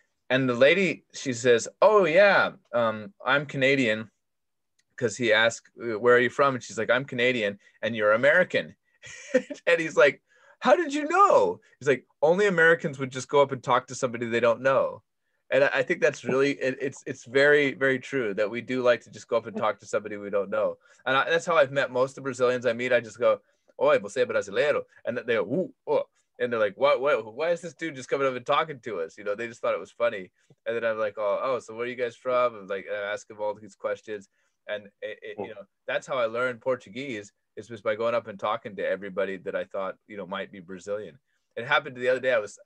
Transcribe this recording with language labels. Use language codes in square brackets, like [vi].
[en] And the lady, she says, oh, yeah, I'm Canadian, because he asked, where are you from? And she's like, I'm Canadian, and you're American. And he's like, how did you know? He's like, only Americans would just go up and talk to somebody they don't know. And I think that's really, it's very, very true that we do like to just go up and talk to somebody we don't know. And that's how I've met most of the Brazilians I meet. I just go, [pt] oi, você é brasileiro? [en] And they go, oh. And they're like, why is this dude just coming up and talking to us? You know, they just thought it was funny. And then I'm like, oh, so where are you guys from? And like, and I ask him all these questions. And, you know, that's how I learned Portuguese, is just by going up and talking to everybody that I thought, you know, might be Brazilian. It happened the other day.